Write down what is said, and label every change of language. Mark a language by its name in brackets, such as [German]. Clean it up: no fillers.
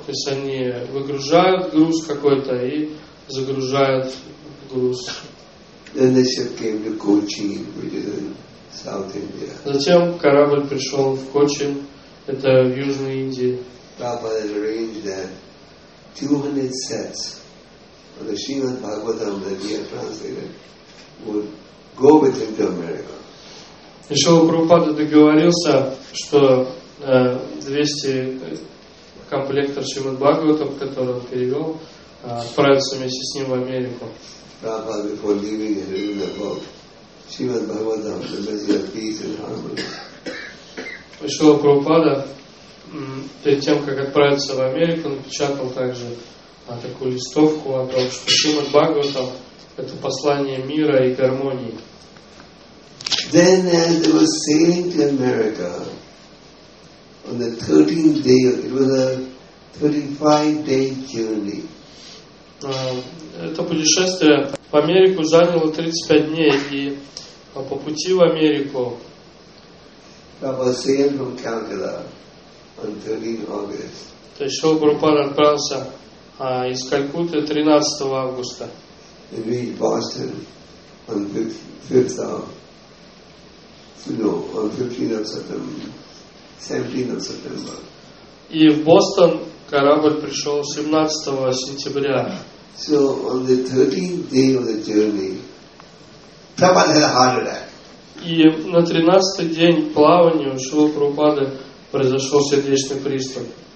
[Russian] То есть они выгружают груз какой-то и загружают груз. [English] Then the ship came to Cochin, which is in South India. [Russian] Затем корабль пришел в Кочин, это в Южной Индии. [English] Prabhupada had arranged that 200 sets of the Srimad Bhagavatam that he had translated would go with him to America. [Russian] И Шрила Прабхупада договорился, что 200 комплектов Шримад Бхагаватам, которые он перевел, отправятся вместе с ним в Америку. [English] Prabhupada, before leaving, had written a book, Shrimad Bhagavatam, the message of peace and harmony. [Russian] Шрила Прабхупада, перед тем, как отправиться в Америку, напечатал также такую листовку о том, что Шримад Бхагаватам – это послание мира и гармонии. [English] Then, as they were sailing to America, on the 13th day, it was a 35-day journey. [Russian] Это путешествие в Америку заняло 35 дней, и по пути в Америку то есть Шрила Прабхупада отправился из Калькутты 13 августа [English] and reached Boston on the 17th of September. [Russian] И в Бостон корабль пришел 17 сентября. [English] So on the 13th day of the journey, Prabhupada had a heart attack. [Russian] И на 13-й день плавания у Шрилы Прабхупады произошел сердечный приступ.